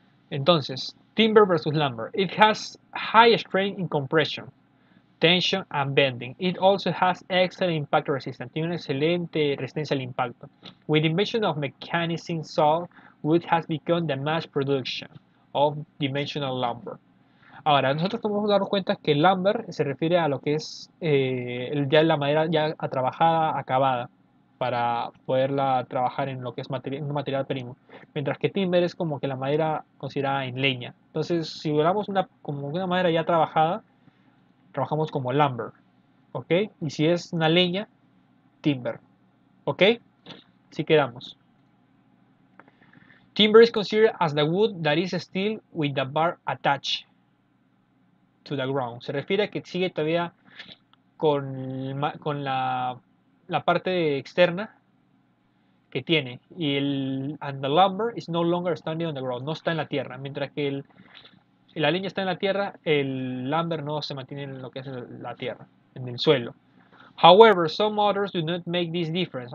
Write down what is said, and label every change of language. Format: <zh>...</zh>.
<en>Entonces, timber versus lumber. It has high strength in compression, tension and bending. It also has excellent impact resistance.</en> <es>Tiene una excelente resistencia al impacto.</es> <en>With the invention of mechanizing saw, wood has become the mass production of dimensional lumber.</en> <es>Ahora, nosotros tenemos que darnos cuenta que lumber se refiere a lo que es ya la madera ya trabajada, acabada, para poderla trabajar en lo que es un material primo. Mientras que timber es como que la madera considerada en leña. Entonces, si hablamos como una madera ya trabajada, trabajamos como lumber, ¿ok? Y si es una leña, timber, ¿ok? Así quedamos.</es> <en>Timber is considered as the wood that is still with the bar attached to the ground.</en> <es>Se refiere a que sigue todavía con la parte externa que tiene.</es> <en>And the lumber is no longer standing on the ground.</en> <es>No está en la tierra. Mientras que la leña está en la tierra, el lumber no se mantiene en lo que es la tierra, en el suelo.</es> <en>However, some authors do not make this difference.</en>